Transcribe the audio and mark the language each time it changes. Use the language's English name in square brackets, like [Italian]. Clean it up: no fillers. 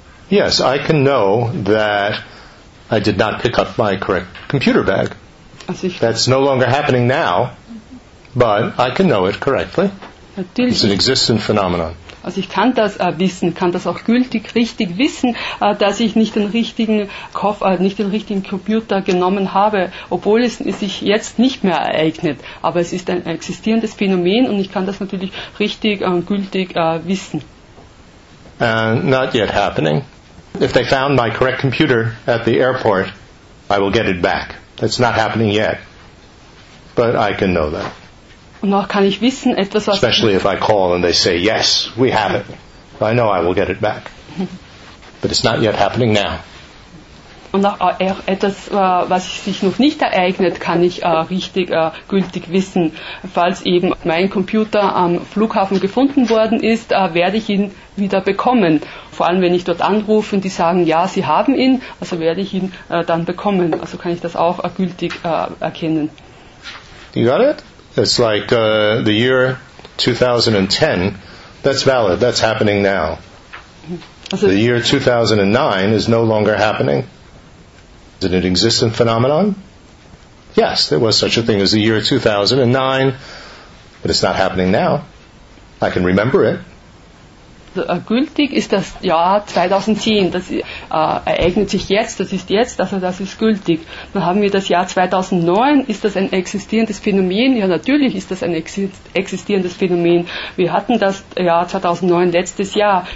[English] Yes, I can know that I did not pick up my correct computer bag. That's no longer happening now, but I can know it correctly. [German] Natürlich. [English] It's an existent phenomenon. [German] Also ich kann das wissen, kann das auch gültig, richtig wissen, dass ich nicht den richtigen nicht den richtigen Computer genommen habe, obwohl es sich jetzt nicht mehr ereignet. Aber es ist ein existierendes Phänomen und ich kann das natürlich richtig gültig wissen. [English] Not yet happening. If they found my correct computer at the airport, I will get it back. That's not happening yet. But I can know that. [German] Und noch kann ich wissen, etwas, was [English] especially if I call and they say, yes, we have it. I know I will get it back. But it's not yet happening now. [German] Und noch etwas, was sich noch nicht ereignet, kann ich richtig gültig wissen. Falls eben mein Computer am Flughafen gefunden worden ist, werde ich ihn wieder bekommen. Vor allem, wenn ich dort anrufe und die sagen, ja, sie haben ihn, also werde ich ihn dann bekommen. Also kann ich das auch gültig erkennen. [English] You got it? It's like the year 2010. That's valid. That's happening now. Also the year 2009 is no longer happening. Is it an existent phenomenon? Yes, there was such a thing as the year 2009, but it's not happening now. I can remember it. [German] Gültig ist das Jahr 2010. Das ereignet sich jetzt, das ist jetzt, also das ist gültig. Dann haben wir das Jahr 2009. Ist das ein existierendes Phänomen? Ja, natürlich ist das ein existierendes Phänomen. Wir hatten das Jahr 2009 letztes Jahr.